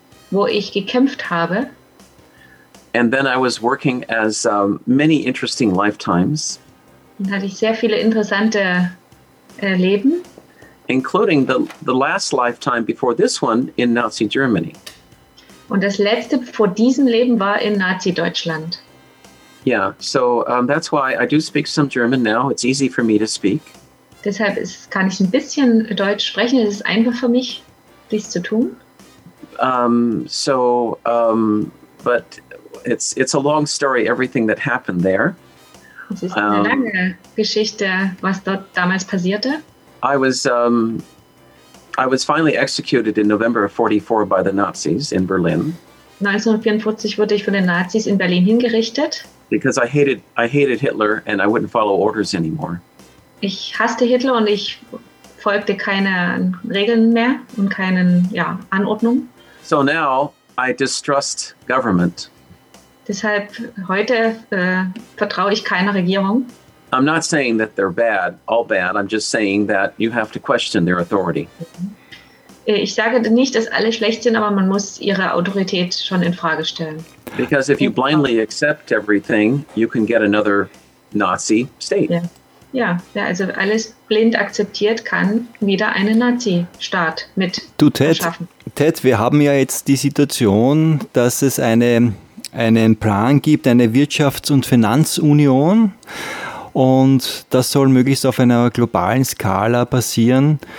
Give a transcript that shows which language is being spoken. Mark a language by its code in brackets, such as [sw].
[de] Wo ich gekämpft habe. [en] And then I was working as many interesting lifetimes. [de] Dann hatte ich sehr viele interessante Leben. [en] Including the last lifetime before this one in Nazi Germany. [de] Und das letzte vor diesem Leben war in Nazi Deutschland. [en] Yeah, so that's why I do speak some German now. It's easy for me to speak. [de] Deshalb kann ich ein bisschen Deutsch sprechen. Es ist einfach für mich, dies zu tun. [en] But it's a long story, everything that happened there. [de] Es ist eine lange Geschichte, was dort damals passierte. [en] I was finally executed in November of 1944 by the Nazis in Berlin. [de] 1944 wurde ich von den Nazis in Berlin hingerichtet. [en] Because I hated Hitler and I wouldn't follow orders anymore. [de] Ich hasste Hitler und ich folgte keinen Regeln mehr und keinen Anordnungen. [en] So now I distrust government. [de] Deshalb heute vertraue ich keiner Regierung. [en] I'm not saying that they're bad, all bad. I'm just saying that you have to question their authority. [de] Ich sage nicht, dass alle schlecht sind, aber man muss ihre Autorität schon in Frage stellen. [en] Because if you blindly accept everything, you can get another Nazi state. Yeah. [de] Ja, wer also alles blind akzeptiert, kann wieder einen Nazi-Staat mit schaffen. Ted, wir haben ja jetzt die Situation, dass es einen Plan gibt, eine Wirtschafts- und Finanzunion, und das soll möglichst auf einer globalen Skala passieren.